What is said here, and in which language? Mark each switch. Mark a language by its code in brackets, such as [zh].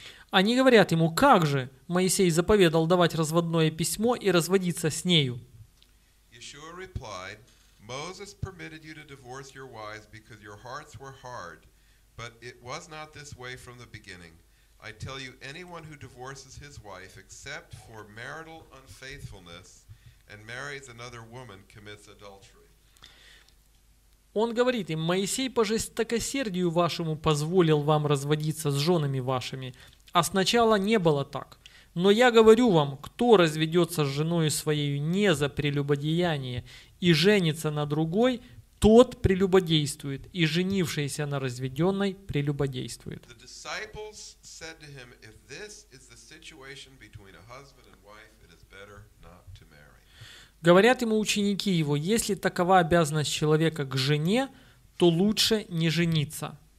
[ru] Они говорят ему, как же Моисей заповедал давать разводное письмо и разводиться с нею? [en] Иешуа replied, Moses permitted you to divorce your wives because your hearts were hard, but it was not this way from the beginning. I tell you, anyone who divorces his wife except for marital unfaithfulness and marries another woman commits adultery. [ru] Он говорит им, Моисей по жестокосердию вашему позволил вам разводиться с женами вашими, а сначала не было так. Но я говорю вам, кто разведется с женою своей не за прелюбодеяние и женится на другой, тот прелюбодействует, и женившийся на разведенной прелюбодействует. [en] The disciples said to him, if this is the situation between a husband and wife, it is better not to marry. [ru] Говорят ему ученики его, если такова обязанность человека к жене, то лучше не жениться.